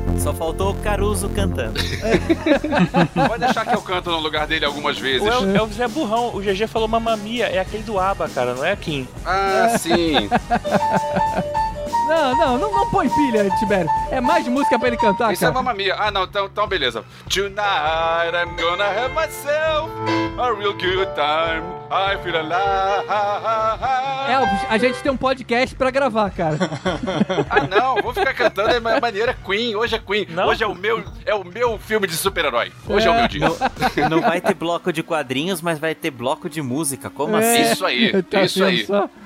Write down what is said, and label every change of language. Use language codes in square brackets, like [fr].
[pt] Só faltou o Caruso cantando. Pode deixar que eu canto no lugar dele algumas vezes. Elvis é burrão. O GG falou Mamma Mia, é aquele do ABBA, cara, não é a Kim. Ah, sim. Não põe pilha, Tibério. É mais música pra ele cantar, isso, cara. Isso é Mamma Mia. Ah, não, então beleza. [en] Tonight I'm gonna have myself a real good time. I feel alive. [pt] Elvis, a gente tem um podcast pra gravar, cara. Ah, não, vou ficar cantando de maneira Queen. Hoje é Queen. Não? Hoje é o meu filme de super-herói. Hoje é o meu dia. Não vai ter bloco de quadrinhos, mas vai ter bloco de música. Como assim? Isso aí, tá isso aí. Só.